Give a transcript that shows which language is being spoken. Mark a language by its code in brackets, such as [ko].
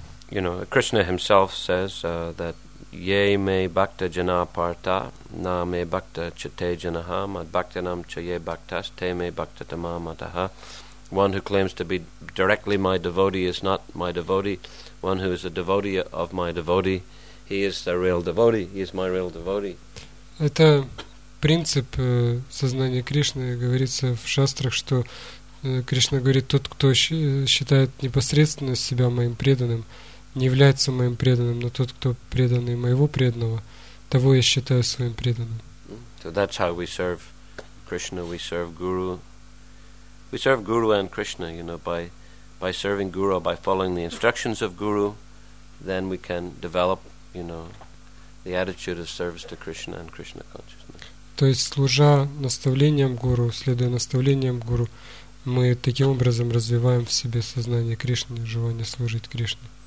[en] you know, Krishna himself says that [sa] ye me bhakta jana parta na me bhakta chate janaha mad bhaktanam cha ye bhaktas te me bhakta tamamataha. [en] One who claims to be directly my devotee is not my devotee. One who is a devotee of my devotee, he is the real devotee. He is my real devotee. [ru] Это принцип сознания Кришны. Говорится в шастрах, что Кришна говорит, тот, кто считает непосредственно себя моим преданным, не является моим преданным, но тот, кто преданный моего преданного, того я считаю своим преданным. [en] So that's how we serve Krishna, we serve Guru. We serve Guru and Krishna, you know, by serving Guru, by following the instructions of Guru, then we can develop, you know, the attitude of service to Krishna and Krishna consciousness. [ru] То есть, служа наставлениям Гуру, следуя наставлениям Гуру, мы таким образом развиваем в себе сознание Кришны, желание служить Кришне.